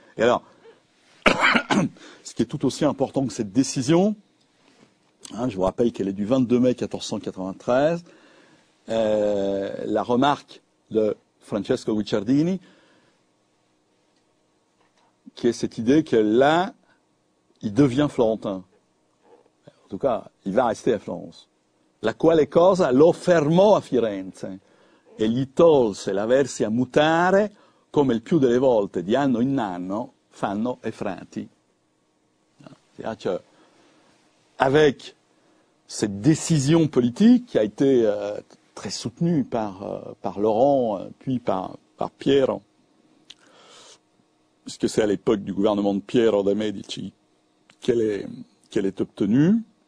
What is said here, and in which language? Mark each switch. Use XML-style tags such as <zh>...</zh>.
<it>E allora,</it> <fr>ce qui est tout aussi important que cette décision, hein, je vous rappelle qu'elle est du 22 mai 1493, la remarque de Francesco Guicciardini, qui est cette idée que là, il devient florentin. En tout cas, il va rester à Florence.</fr> <it>La quale cosa lo fermò a Firenze e gli tolse l'aversi a mutare, come il più delle volte di anno in anno fanno i frati.</it> <fr>C'est-à-dire qu'avec cette décision politique qui a été très soutenue par Laurent, puis par Piero, puisque c'est à l'époque du gouvernement de Piero de Medici qu'elle est obtenue.</fr>